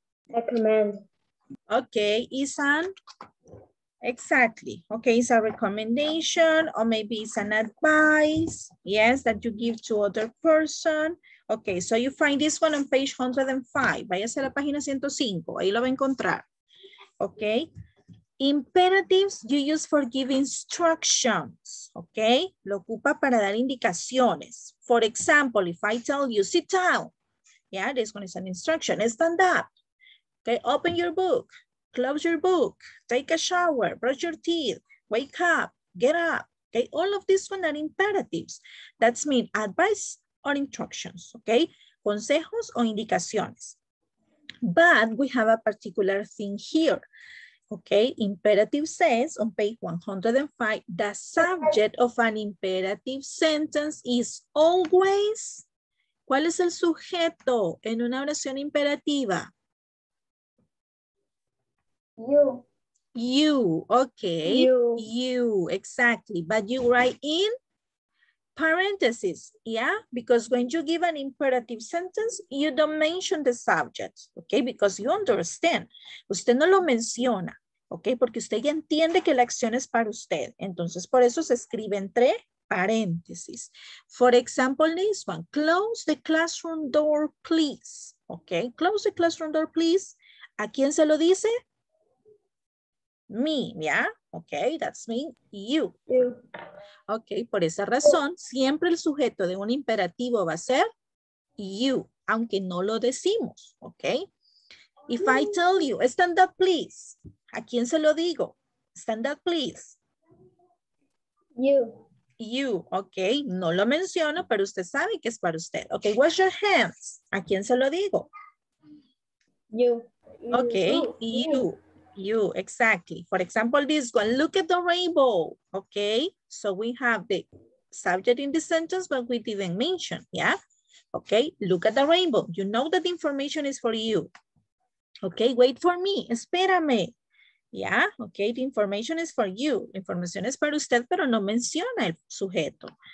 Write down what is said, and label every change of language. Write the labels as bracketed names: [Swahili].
[English] A command. Okay, is an, exactly. Okay, it's a recommendation or maybe it's an advice, yes, that you give to other person. Okay, so you find this one on page 105. [Spanish] Váyase a la página 105, ahí lo va a encontrar. [English] Okay, imperatives you use for giving instructions, okay? [Spanish] Lo ocupa para dar indicaciones. [English] For example, if I tell you sit down, yeah, this one is an instruction, stand up. Okay, open your book, close your book, take a shower, brush your teeth, wake up, get up. Okay, all of these one are imperatives. That's mean advice, or instructions, okay? [Spanish] Consejos o indicaciones. [English] But we have a particular thing here, okay? Imperative says on page 105, the subject of an imperative sentence is always, [Spanish] ¿cuál es el sujeto en una oración imperativa? [English] You. You, okay. You. You, exactly. But you write in parentheses, yeah? Because when you give an imperative sentence, you don't mention the subject, okay? Because you understand. [Spanish] Usted no lo menciona, [English] okay? [Spanish] Porque usted ya entiende que la acción es para usted. Entonces, por eso se escribe entre paréntesis. [English] For example, this one, close the classroom door, please. Okay, close the classroom door, please. [Spanish] ¿A quién se lo dice? [English] Me, yeah? Okay, that's me, you. [Spanish] Ok, por esa razón, siempre el sujeto de un imperativo va a ser you, aunque no lo decimos, ok. [English] If I tell you, stand up please, [Spanish] ¿a quién se lo digo? [English] Stand up please. You. [Spanish] You, ok, no lo menciono, pero usted sabe que es para usted. [English] Ok, wash your hands, [Spanish] ¿a quién se lo digo? [English] You. Ok, you. You, exactly. For example, this one, look at the rainbow, okay? So we have the subject in the sentence, but we didn't mention, yeah? Okay, look at the rainbow. You know that the information is for you. Okay, wait for me, espérame. Yeah, okay, the information is for you. [Spanish] Información es para usted, pero no menciona el sujeto.